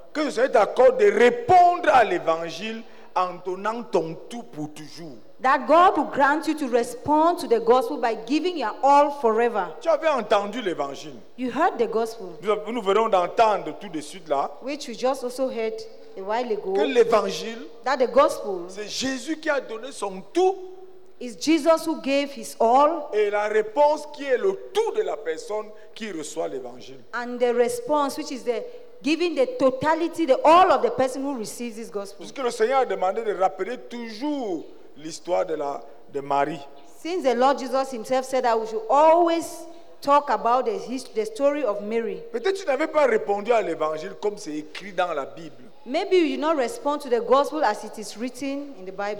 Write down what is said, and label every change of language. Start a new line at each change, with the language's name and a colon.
French: Que le Seigneur t'accorde de répondre à l'évangile en donnant ton tout pour toujours.
English: That God will grant you to respond to the gospel by giving your all forever.
French: Tu avais entendu l'évangile.
English: You heard the gospel.
French: Nous venons d'entendre tout de suite là.
English: Which we just also heard a while ago.
French: Que l'évangile.
English: That the gospel.
French: C'est Jésus qui a donné son tout.
English: Is Jesus who gave his all.
French: Et la réponse qui est le tout de la personne qui reçoit l'évangile.
English: And the response which is the giving the totality, the all of the person who receives this gospel.
French: Puisque le Seigneur a demandé de rappeler toujours l'histoire de Marie.
English: Since the Lord Jesus himself said that we should always talk about the story of Mary.
French: Peut-être tu n'avais pas répondu à l'évangile comme c'est écrit dans la Bible.
English: Maybe you do not respond to the gospel as it is written in the Bible.